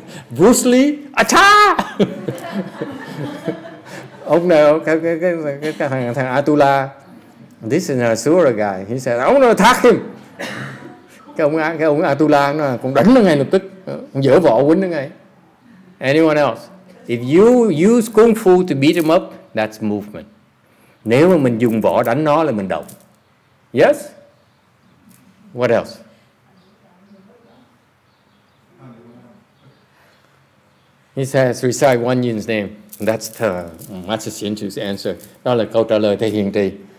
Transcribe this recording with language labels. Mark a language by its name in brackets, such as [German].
[Vietnamese] Bruce Lee, acha! Ông nào, cái thằng [English] Atula, this is a Sura guy, he says, I wanna attack him. [Vietnamese] Cái ông Atula nó cũng đánh nó ngay lập tức, dở vỏ quýnh nó ngay. [English] Anyone else? If you use kung fu to beat him up, that's movement. [Vietnamese] Nếu mà mình dùng võ đánh nó là mình động. [English] Yes? What else? He says, recite one yin's name. That's the Master Xian Chu's answer. [Vietnamese] Đó là câu trả lời thể hiện trì.